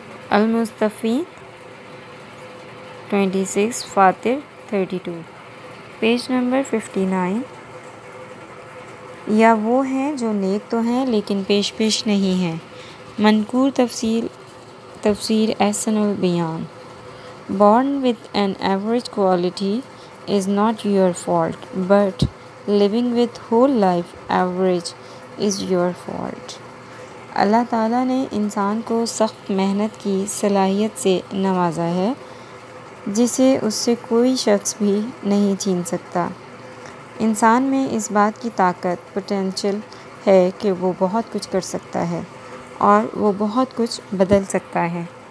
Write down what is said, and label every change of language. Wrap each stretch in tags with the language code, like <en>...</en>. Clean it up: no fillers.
<ur>المستفین 26، فاطر 32، page number 59. یا وہ ہیں جو نیک تو ہیں لیکن پیش پیش نہیں ہیں. منکور تفسیر احسن البیان.</ur> <en>Born with an average quality is not your fault, but living with whole life average is your fault.</en> <ur>اللہ تعالیٰ نے انسان کو سخت محنت کی صلاحیت سے نوازا ہے، جسے اس سے کوئی شخص بھی نہیں چھین سکتا. انسان میں اس بات کی طاقت پوٹینشیل ہے کہ وہ بہت کچھ کر سکتا ہے، اور وہ بہت کچھ بدل سکتا ہے.</ur>